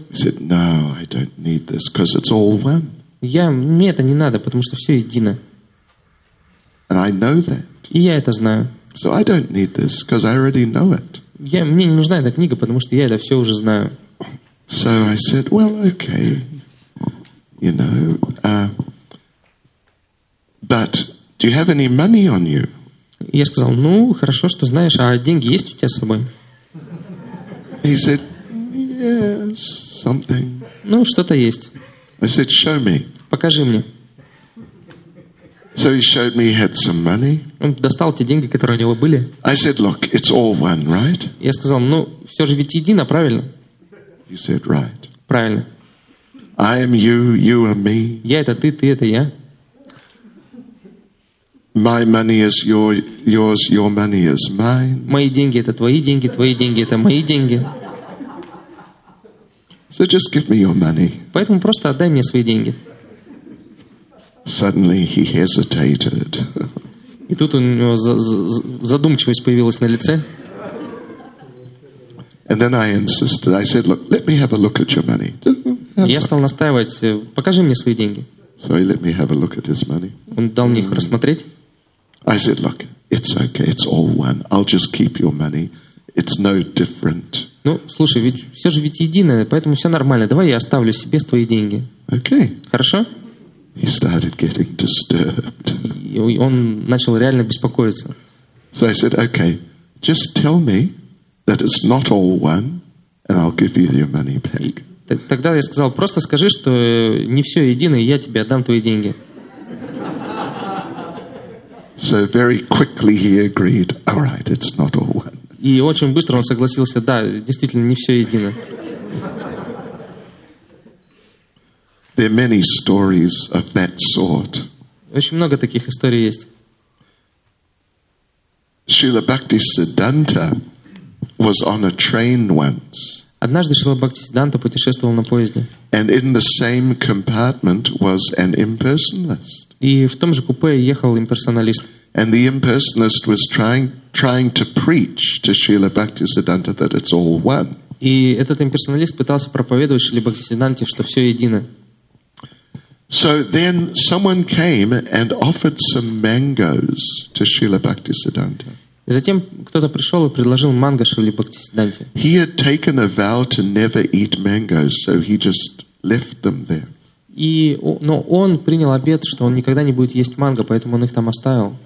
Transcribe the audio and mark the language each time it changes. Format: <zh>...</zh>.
<en>He said, "No, I don't need this because it's all one."</en> <ru>Я мне это не надо, потому что все едино.</ru> <en>And I know that.</en> <ru>И я это знаю.</ru> <en>So I don't need this because I already know it.</en> <ru>Мне не нужна эта книга, потому что я это все уже знаю.</ru> <en>So I said, well, okay, you know, but do you have any money on you?</en> <ru>Я сказал, ну, хорошо, что знаешь, а деньги есть у тебя с собой?</ru> <en>He said, yes, something.</en> <ru>Ну, что-то есть.</ru> <en>I said, show me.</en> <ru>Покажи мне.</ru> <en>So he showed me he had some money.</en> <ru>Он достал те деньги, которые у него были.</ru> <en>I said, look, it's all one, right?</en> <ru>Я сказал, ну, все же ведь едино, правильно?</ru> <en>He said, right.</en> <ru>Правильно.</ru> <en>I am you, you are me.</en> <ru>Я это ты это я.</ru> <en>My money is yours, your money is mine.</en> <ru>Мои деньги это твои деньги это мои деньги.</ru> <en>So just give me your money.</en> <ru>Поэтому просто отдай мне свои деньги.</ru> <en>Suddenly he hesitated.</en> <ru>И тут у него задумчивость появилась на лице.</ru> <en>And then I insisted. I said, "Look, let me have a look at your money."</en> <ru>Я стал настаивать. Покажи мне свои деньги.</ru> <en>So he let me have a look at his money.</en> <ru>Он дал мне их рассмотреть.</ru> <en>I said, "Look, it's okay. It's all one. I'll just keep your money. It's no different."</en> <ru>Ну, слушай, ведь все же ведь единое, поэтому все нормально. Давай я оставлю себе твои деньги.</ru> <en>Okay.</en> <ru>Хорошо?</ru> <en>He started getting disturbed.</en> <ru>Он начал реально беспокоиться.</ru> <en>So I said, "Okay, just tell me." That it's not all one, and I'll give you your money back.</en> <ru>Тогда я сказал, просто скажи, что не все едино, и я тебе отдам твои деньги.</ru> <en>So very quickly he agreed. All right, it's not all one.</en> <ru>И очень быстро он согласился, да, действительно, не все едино.</ru> <en>There are many stories of that sort.</en> <ru>Очень много таких историй есть.</ru> <en>Srila Bhaktisiddhanta was on a train once.</en> <ru>Однажды Шрила Бхактисиддханта путешествовал на поезде.</ru> <en>And in the same compartment was an impersonalist.</en> <ru>И в том же купе ехал имперсоналист.</ru> <en>And the impersonalist was trying to preach to Srila Bhaktisiddhanta that it's all one.</en> <ru>И этот имперсоналист пытался проповедовать Шриле Бхактисиддханте, что все едино.</ru> <en>So then someone came and offered some mangoes to Srila Bhaktisiddhanta.</en> <ru>Затем кто-то пришел и предложил манго Шриле Бхактисиддханте.</ru> <en>He had taken a vow to never eat mangoes, so he just left them there.</en> <ru>И, но он принял обет, что он никогда не будет есть манго, поэтому он их там оставил.</ru>